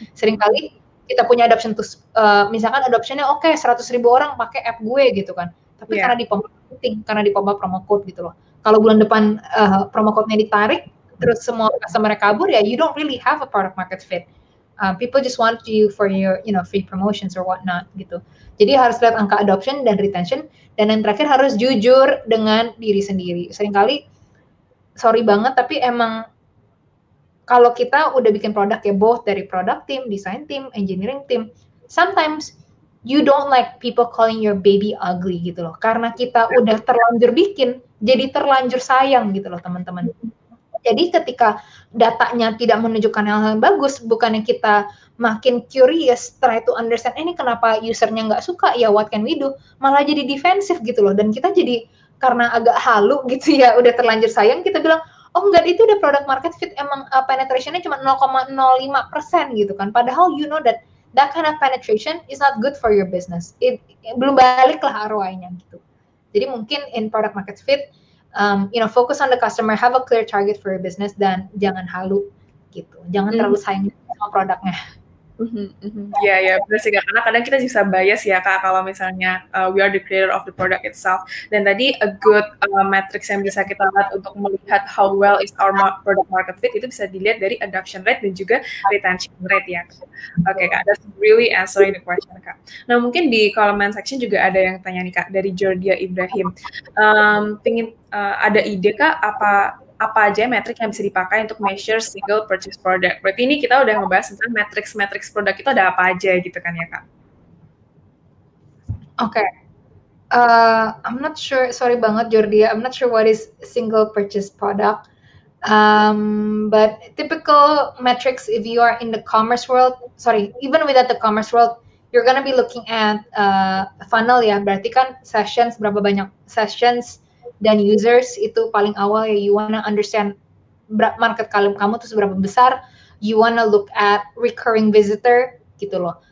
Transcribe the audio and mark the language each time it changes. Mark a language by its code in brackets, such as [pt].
[id] Seringkali kita punya adoption tuh misalkan adoptionnya okay, 100.000 orang pakai app gue gitu kan. Tapi yeah, karena dipompa promo code gitu loh. Kalau bulan depan promo code-nya ditarik, terus semua customer kabur, ya [en] you don't really have a product market fit. People just want you for your, you know, free promotions or whatnot, [id] gitu. Jadi harus lihat angka adoption dan retention, dan yang terakhir harus jujur dengan diri sendiri. Seringkali, sorry banget, tapi emang kalau kita udah bikin produk ya, [en] both dari product team, design team, engineering team, sometimes you don't like people calling your baby ugly, [id] gitu loh. Karena kita udah terlanjur bikin, jadi terlanjur sayang gitu loh teman-teman. Jadi ketika datanya tidak menunjukkan hal yang bagus, bukannya kita makin curious, [en] try to understand, [id] ini kenapa usernya nggak suka, ya [en] what can we do, [id] malah jadi defensif gitu loh. Dan kita jadi karena agak halu gitu ya, udah terlanjur sayang, kita bilang, oh enggak, itu udah product market fit, emang penetrationnya cuma 0,05% gitu kan. [en] Padahal you know that kind of penetration is not good for your business. [id] Belum balik lah ROI-nya gitu. [en] Jadi mungkin in product market fit, focus on the customer, have a clear target for your business, [id] dan jangan halu gitu. Jangan terlalu sayang sama produknya. Ya, benar sih, karena kadang kita bisa bias ya Kak, kalau misalnya [en] we are the creator of the product itself. [id] Dan tadi a good metrics yang bisa kita lihat untuk melihat [en] how well is our product market fit [id] itu bisa dilihat dari adoption rate dan juga retention rate ya. [en] Okay, [id] Kak, [en] that's really answering the question Kak. [id] Nah mungkin di comment section juga ada yang tanya nih Kak, dari Jordia Ibrahim, ada ide Kak apa aja metrik yang bisa dipakai untuk measure single purchase product? Berarti ini kita udah ngebahas tentang metrik produk itu ada apa aja gitu kan ya Kak? [en] Okay. I'm not sure, [id] sorry banget Jordia, [en] I'm not sure what is single purchase product. But typical metrics if you are in the commerce world, sorry, even without the commerce world, you're gonna be looking at funnel ya, [id] berarti kan sessions, berapa banyak sessions, dan users itu paling awal ya, [en] you wanna understand [id] market kamu tuh seberapa besar, [en] you wanna look at recurring visitor [id] gitu loh.